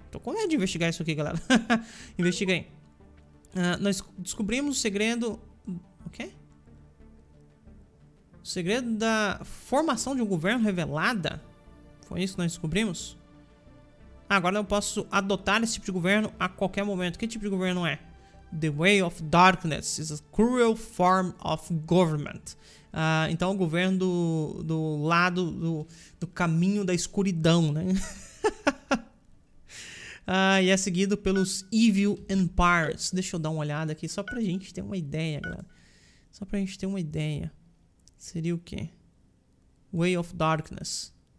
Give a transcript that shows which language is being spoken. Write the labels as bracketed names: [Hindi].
[Portuguese] Tô com medo de investigar isso aqui, galera. Investiga aí. Nós descobrimos o segredo... O quê? O segredo da formação de um governo revelada? Foi isso que nós descobrimos? Agora eu posso adotar esse tipo de governo a qualquer momento. Que tipo de governo é? [English] The Way of Darkness is a cruel form of government. [Portuguese] Então o governo do lado do caminho da escuridão, né? e é seguido pelos Evil Empires. Deixa eu dar uma olhada aqui só pra gente ter uma ideia, galera. Só pra gente ter uma ideia. Seria o quê? Way of Darkness.